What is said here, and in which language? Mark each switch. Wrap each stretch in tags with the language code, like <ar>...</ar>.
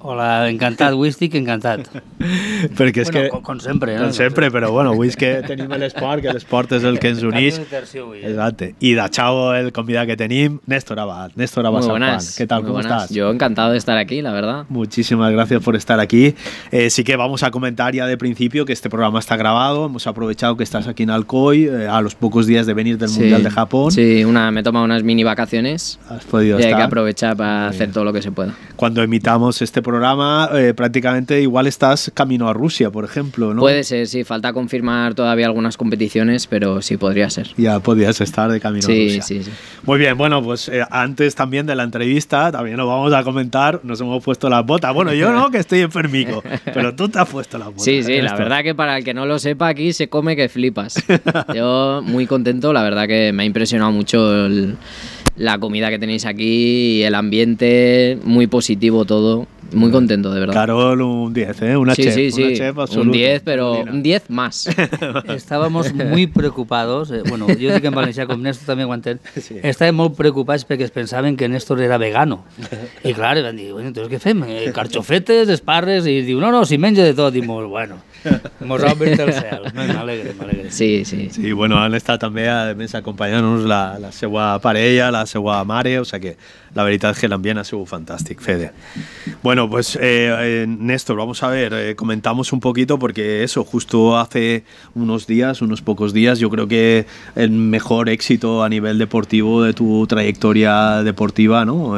<ca>Hola, encantat, avui estic encantat. Perquè és bueno, que, com sempre. Com sempre, però bueno, avui és que tenim l'esport, que l'esport és el que ens uneix. Exacte. I deixau el convidat que tenim, Néstor Abad. Néstor Abad, què tal, com estàs? Jo encantat d'estar aquí,</ca> <es>la verdad.</es> <ca>Moltíssimes gràcies por estar aquí.</ca> <es>Sí que vamos a comentar ya de principio que este programa está grabado. Hemos aprovechado que estás aquí en Alcoy a los pocos días de venir del Mundial de Japón. Sí, me he tomado unas mini vacaciones. Has podido y estar. Y hay que aprovechar para hacer todo lo que se pueda. Cuando emitamos este programa, prácticamente igual estás camino a Rusia, por ejemplo, ¿no? Puede ser, sí. Falta confirmar todavía algunas competiciones, pero sí, podría ser. Ya podrías estar de camino a Rusia. Sí, sí, sí. Muy bien, bueno, pues antes también de la entrevista, también nos vamos a comentar, nos hemos puesto las botas. Bueno, yo no, que estoy enfermico, pero tú te has puesto la bota. Sí, sí, la verdad que para el que no lo sepa, aquí se come que flipas. Yo muy contento, la verdad que me ha impresionado mucho la comida que tenéis aquí y el ambiente, muy positivo todo. Muy contento, de verdad. Carol, un 10, ¿eh? Una sí, chef. Sí, sí, sí. Un 10, pero un 10 más. Estábamos muy preocupados.</es> <ca>Bueno, yo dic en valencià com Néstor, també ho entenc. Sí. Estàvem molt preocupats perquè es pensaven que Néstor era vegano. I clar, van dir, bueno, entonces, ¿qué fem? Carxofetes, esparres... I diu, no, no, si menja de tot. I molt, bueno, mos ha obert el cel. M'alegre, m'alegre. Sí, sí. Sí, bueno, han estat també, a més, acompanyant-nos la seua parella, la seua mare, o sea que...</ca> <es>La verdad es que el ambiente ha sido fantástico, Fede. Bueno, pues Néstor, vamos a ver, comentamos un poquito porque eso, justo hace unos días, unos pocos días, yo creo que el mejor éxito a nivel deportivo de tu trayectoria deportiva, ¿no?</es>